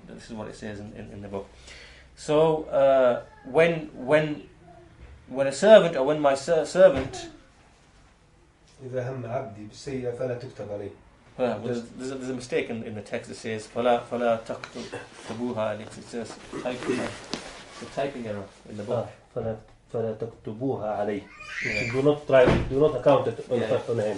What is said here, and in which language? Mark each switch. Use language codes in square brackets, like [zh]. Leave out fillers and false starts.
[en] This is what it says in the book. So when a servant, or when my servant... [ar] إِذَا حَمَّ عَبْدِي بِالسَّيِّئَةِ فَلَا تُكْتَبْ عَلِيهِ. [en] There's a mistake in the text. It says [ar] فَلَا تَكْتُبُوهَا عَلِيهِ. [en] It says typing error in the book. [ar] فَلَا تَكْتُبُوهَا عَلَيْهِ. [en] Do not try, do not account it on him.